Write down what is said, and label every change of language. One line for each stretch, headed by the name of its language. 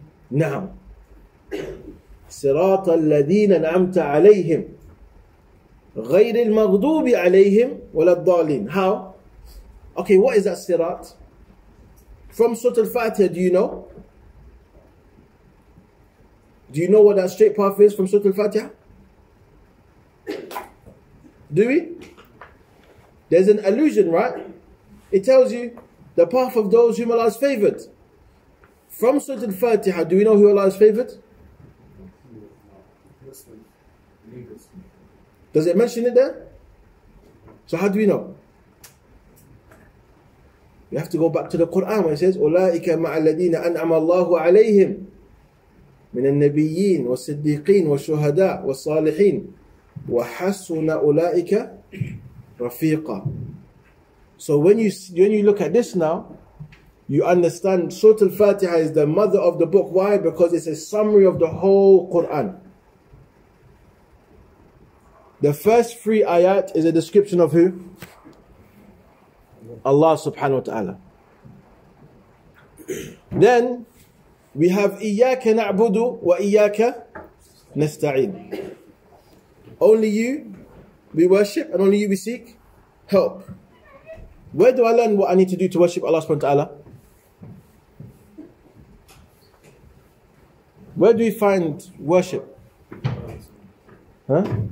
English: Now,
Arabic: صراط الذين أنعمت عليهم غير المغضوب عليهم ولا الضالين.
English: How? Okay, what is that sirat? From Surah Al-Fatiha, do you know? Do you know what that straight path is from Surah Al-Fatiha? do we? There's an allusion, right? It tells you the path of those whom Allah has favored. From Surah Al-Fatiha, do we know who Allah has favored? Does it mention it there? So how do we know? You have to go back to the Quran where it says,
Arabic: أُولَٰئِكَ مَعَ الَّذِينَ أَنْعَمَ اللَّهُ عَلَيْهِمْ مِنَ النَّبِيِّينَ وَالصِّدِّيقِينَ وَالشُّهَدَاءَ وَالصَّالِحِينَ وَحَسُنَ أُولَٰئِكَ رَفِيقًا.
English: So when you look at this now, you understand Surah Al-Fatiha is the mother of the book. Why? Because it's a summary of the whole Quran. The first three ayat is a description of who? Allah subhanahu wa ta'ala. Then we have
Arabic: إِيَّاكَ نَعْبُدُ وَإِيَّاكَ نَسْتَعِينَ.
English: Only you we worship and only you we seek help. Where do I learn what I need to do to worship Allah subhanahu wa ta'ala? Where do we find worship? Huh?